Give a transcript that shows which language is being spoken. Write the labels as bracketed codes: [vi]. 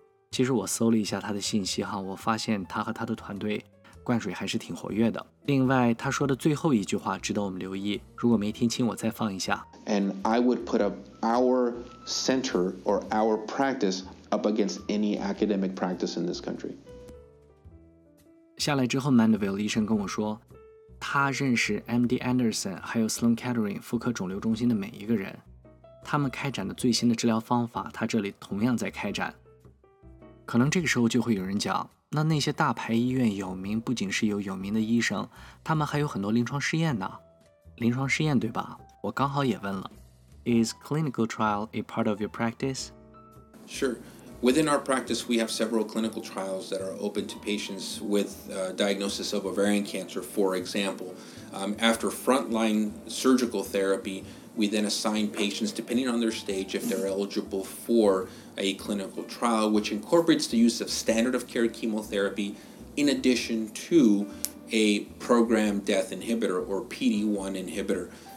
[zh] 其实我搜了一下他的信息哈，我发现他和他的团队灌水还是挺活跃的。另外，他说的最后一句话值得我们留意，如果没听清，我再放一下。 [en] And I would put up our center or our practice up against any academic practice in this country. [zh] 下来之后 ，Mandeville 医生跟我说，他认识 MD Anderson 还有 Sloan Kettering 妇科肿瘤中心的每一个人，他们开展的最新的治疗方法，他这里同样在开展。可能这个时候就会有人讲，那那些大牌医院有名，不仅是有有名的医生，他们还有很多临床试验呢。临床试验对吧？我刚好也问了。 [en] Is clinical trial a part of your practice? Sure. Within our practice, we have several clinical trials that are open to patients with diagnosis of ovarian cancer, for example. After frontline surgical therapy, we then assign patients, depending on their stage, if they're eligible for a clinical trial, which incorporates the use of standard of care chemotherapy in addition to a programmed death inhibitor or PD-1 inhibitor.